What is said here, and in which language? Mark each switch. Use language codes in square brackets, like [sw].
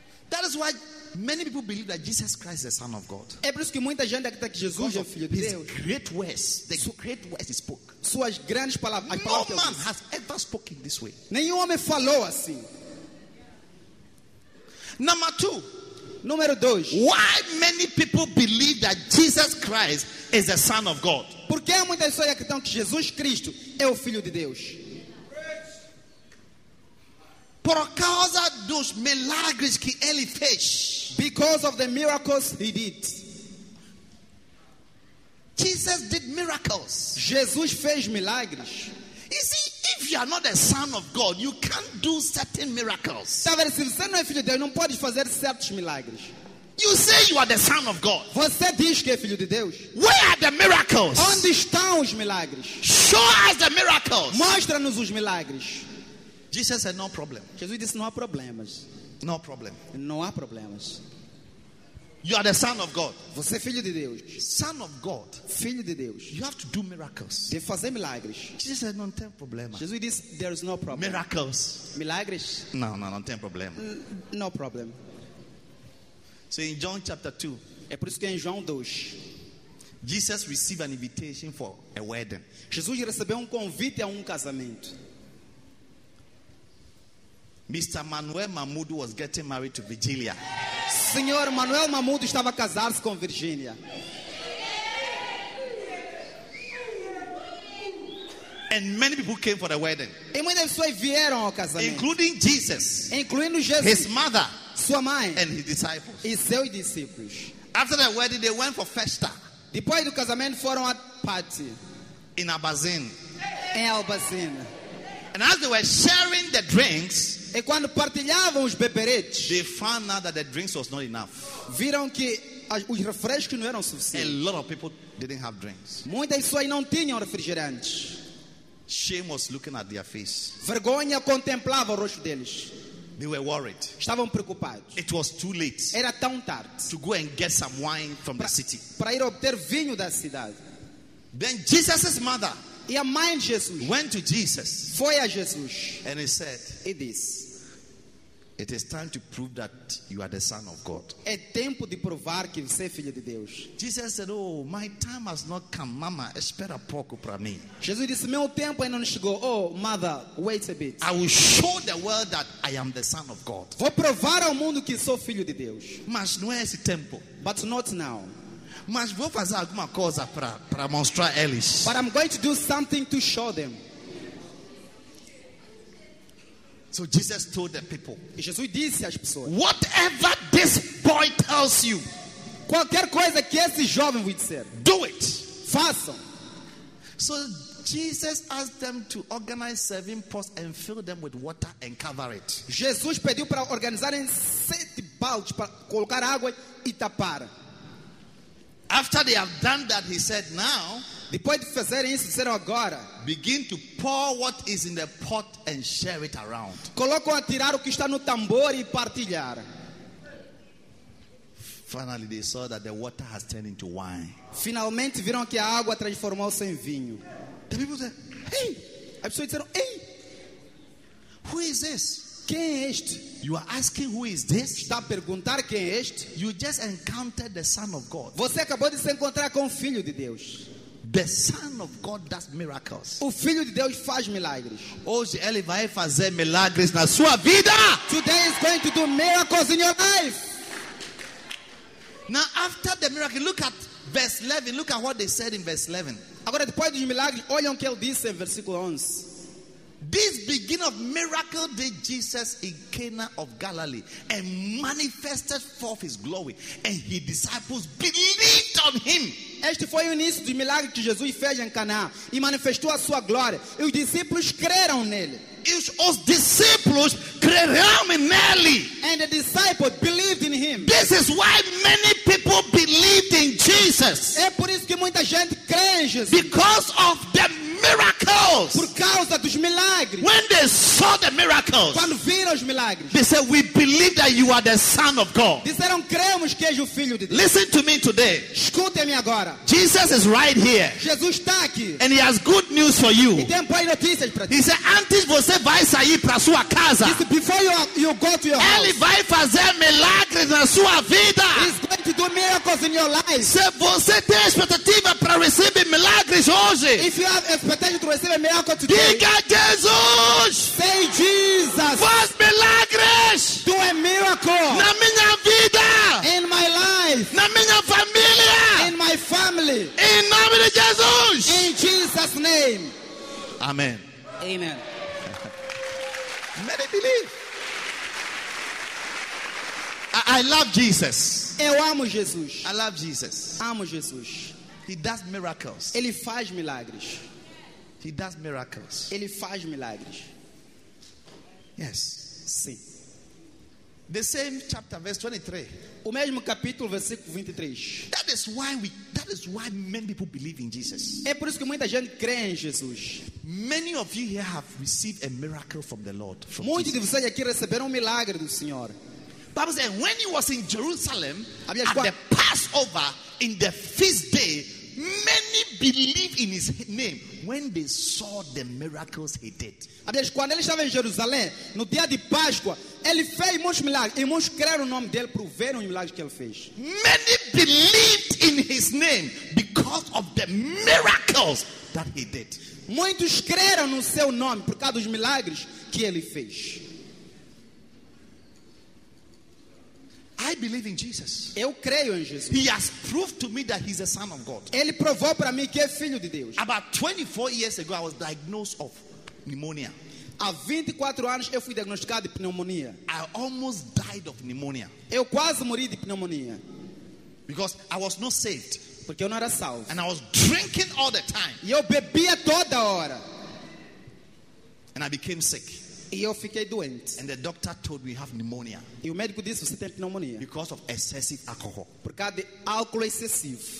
[en] That is why many people believe that Jesus Christ is the Son of God. [pt] É por isso que muita gente acredita que Jesus é filho de Deus. [en] Great words, great words he spoke. [pt] Suas grandes palavras. [en] No man has ever spoken this way. [pt] Nenhum homem falou assim. [en] Number two. [pt] Número dois. [en] Why many people believe that Jesus Christ is the Son of God? [pt] Por que muitas pessoas acreditam que Jesus Cristo é o filho de Deus? Por causa dos milagres que ele fez. [en] Because of the miracles he did. Jesus did miracles. [pt] Jesus fez milagres. [en] You see, if you are not a son of God, you can't do certain miracles. [pt] Se você não é filho de Deus, não pode fazer certos milagres. [en] You say you are the son of God. [pt] Você diz que é filho de Deus. [en] Where are the miracles? [pt] Onde estão os milagres? [en] Show us the miracles. [pt] Mostra-nos os milagres. [en] Jesus said, no problem. [pt] Jesus disse, não há problemas. [en] No problem. [pt] Não há problemas. [en] You are the son of God. [pt] Você é filho de Deus. [en] Son of God. [pt] Filho de Deus. [en] You have to do miracles. [pt] De fazer milagres. [en] Jesus said, [pt] não tem problema. Jesus disse, [en] there is no problem. Miracles. [pt] Milagres. No, no, não tem problema. [en] No problem. So in John chapter 2, [pt] é por isso que em João 2, [en] Jesus received an invitation for a wedding. [pt] Jesus recebeu convite a casamento. [en] Mr. Manuel Mamudo was getting married to Virgilia. [pt] Senhor Manuel Mamudo estava a casar-se com Virgilia. [en] And many people came for the wedding. [pt] E muitas pessoas vieram ao casamento. [en] Including Jesus. [pt] Incluindo Jesus. [en] His mother. [pt] Sua mãe. [en] And his disciples. [pt] E seus discípulos. [en] After the wedding, they went for festa. [pt] Depois do casamento, foram à party. [en] In Albazin. [pt] Em Albazin. [en] And as they were sharing the drinks, [pt] e quando partilhavam os beberetes, [en] they found out that the drinks was not enough. [pt] Viram que os refrescos não eram suficientes. [en] A lot of people didn't have drinks. [pt] Muitas pessoas não tinham refrigerantes. [en] Shame was looking at their face. [pt] Vergonha contemplava o rosto deles. [en] They were worried. [pt] Estavam preocupados. [en] It was too late. [pt] Era tão tarde. [en] To go and get some wine from the city. [pt] Para ir obter vinho da cidade. [en] Then Jesus' mother. [pt] E a mãe de Jesus. [en] Went to Jesus. [pt] Foi a Jesus. [en] And he said. [pt] E disse. [en] It is time to prove that you are the son of God. [pt] É tempo de provar que você é filho de Deus. [en] Jesus said, oh, my time has not come, mama. [pt] Espera pouco para mim. Jesus disse, meu tempo ainda não chegou. [en] Oh, mother, wait a bit. I will show the world that I am the son of God. [pt] Vou provar ao mundo que sou filho de Deus. Mas não é esse tempo. [en] But not now. [pt] Mas vou fazer alguma coisa para mostrar eles. [en] But I'm going to do something to show them. So Jesus told the people. [pt] Jesus disse às pessoas. [en] Whatever this boy tells you. [pt] Qualquer coisa que esse jovem vos disser. [en] Do it. [pt] Façam. [en] So Jesus asked them to organize serving pots and fill them with water and cover it. [pt] Jesus pediu para organizarem sete baldes para colocar água e tapar. [en] After they have done that, he said, now. [pt] Depois de fazerem isso, disseram agora. [en] Begin to pour what is in the pot and share it around. [pt] Colocam a tirar o que está no tambor e partilhar. [en] Finally, they saw that the water has turned into wine. [pt] Finalmente viram que a água transformou-se em vinho. [en] The people said, hey. [pt] As pessoas disseram, hey. [en] Who is this? [pt] Quem é este? [en] You are asking who is this? [pt] Está a perguntar quem é este? [en] You just encountered the Son of God. [pt] Você acabou de se encontrar com o Filho de Deus. [en] The Son of God does miracles. [pt] O Filho de Deus faz milagres. Hoje ele vai fazer milagres na sua vida. [en] Today is going to do miracles in your life. Now after the miracle, look at verse 11. Look at what they said in verse 11. [pt] Agora depois dos milagres, olhem o que ele disse em versículo 11. [en] This beginning of miracle did Jesus in Cana of Galilee and manifested forth his glory, and his disciples believed on him. [pt] Este foi o início do milagre que Jesus fez em Caná e manifestou a sua glória. E os discípulos creram nele. E os discípulos creram nele. [en] And the disciples believed in him. This is why many people believed in Jesus. [pt] É por isso que muita gente crê em Jesus. [en] Because of the miracles. [pt] Por causa dos milagres. [en] When they saw the miracles. [pt] Quando viram os milagres. [en] They said, we believe that you are the son of God. [pt] Disseram, cremos que és o filho de Deus. [en] Listen to me today. [pt] Escutem-me agora. [en] Jesus is right here. [pt] Jesus está aqui. [en] And he has good news for you. [pt] E tem boas notícias para ti. [en] He said, [pt] antes você vai sair para sua casa. Disse, [en] before you go to your house. [pt] Ele vai fazer milagres na sua vida. [en] He's going to do miracles in your life. [pt] Se você tem expectativa para receber milagres hoje. [en] If you have expectation to receive a miracle today. [pt] Diga Jesus. [en] Say Jesus. [pt] Faz milagres. [en] Do a miracle. [pt] Na minha vida. [en] In my life. [pt] Na minha família. [en] In my family. [pt] Em nome de Jesus. [en] In Jesus' name. Amen. Amen. Many believe. I love Jesus. [pt] Eu amo Jesus. [en] I love Jesus. [pt] Amo Jesus. [en] He does miracles. [pt] Ele faz milagres. [en] He does miracles. [pt] Ele faz milagres. [en] Yes. [pt] Sim. [en] The same chapter, verse 23. [pt] O mesmo capítulo, versículo 23. [en] That is why many people believe in Jesus. [pt] É por isso que muita gente crê em Jesus. [en] Many of you here have received a miracle from the Lord. [pt] Muitos de vocês aqui receberam um milagre do Senhor. [en] Bible says, when he was in Jerusalem at the Passover in the feast day, many believed in his name when they saw the miracles he did. [pt] Quando ele estava em Jerusalém, no dia de Páscoa, ele fez muitos milagres. E muitos creram no nome dele por ver os milagres que ele fez. [en] Many believed in his name because of the miracles that he did. [pt] Muitos creram no seu nome por causa dos milagres que ele fez. [en] I believe in Jesus. [pt] Eu creio em Jesus. [en] He has proved to me that he's a son of God. [pt] Ele provou para mim que é filho de Deus. [en] About 24 years ago, I was diagnosed of pneumonia. [pt] Há 24 anos eu fui diagnosticado de pneumonia. [en] I almost died of pneumonia. [pt] Eu quase morri de pneumonia. [en] Because I was not saved. [pt] Porque eu não era salvo. [en] And I was drinking all the time. [pt] E eu bebia toda hora. [en] And I became sick. [pt] E eu fiquei doente. [en] And the doctor told me you have pneumonia. [pt] E o médico disse você tem pneumonia. [en] Because of excessive alcohol. [pt] Por causa de álcool excessivo.